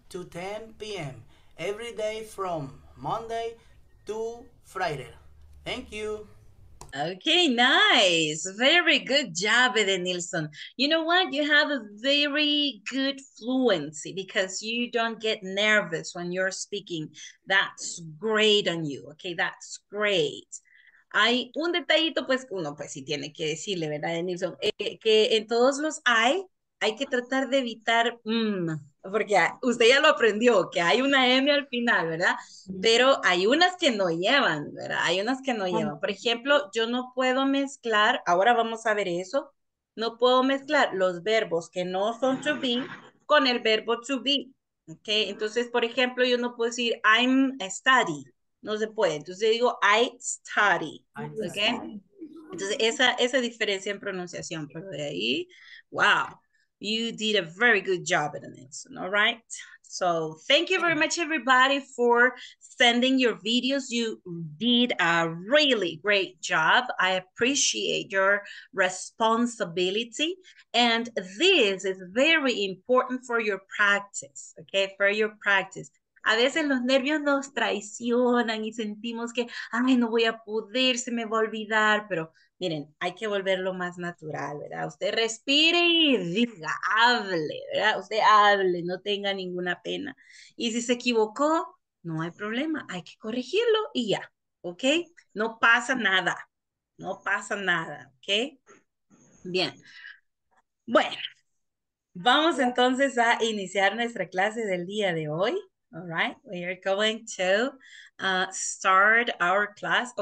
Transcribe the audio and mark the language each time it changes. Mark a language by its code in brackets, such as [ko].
[en] to 10 p.m. every day from Monday to Friday. Thank you. Okay, nice. Very good job, Edenilson. You know what? You have a very good fluency because you don't get nervous when you're speaking. That's great on you. Okay, that's great. [es] Hay un detallito, pues uno, pues sí tiene que decirle, ¿verdad, Edenilson? Que en todos los hay que tratar de evitar, porque usted ya lo aprendió, que hay una M al final, ¿verdad? Pero hay unas que no llevan, ¿verdad? Hay unas que no llevan. Por ejemplo, yo no puedo mezclar, ahora vamos a ver eso, no puedo mezclar los verbos que no son to be con el verbo to be, ¿ok? Entonces, por ejemplo, yo no puedo decir [en] I'm study, [es] no se puede. Entonces yo digo [en] I study, [es] ¿ok? Entonces, esa diferencia en pronunciación, pero de ahí, wow. [en] You did a very good job, Edenilson. All right. So, thank you very much, everybody, for sending your videos. You did a really great job. I appreciate your responsibility. And this is very important for your practice, okay? For your practice. [es] A veces los nervios nos traicionan y sentimos que, ay, no voy a poder, se me va a olvidar, pero miren, hay que volverlo más natural, ¿verdad? Usted respire y diga, hable, ¿verdad? Usted hable, no tenga ninguna pena. Y si se equivocó, no hay problema, hay que corregirlo y ya, ¿ok? No pasa nada, no pasa nada, ¿ok? Bien. Bueno, vamos entonces a iniciar nuestra clase del día de hoy. [en] All right, we are going to start our class.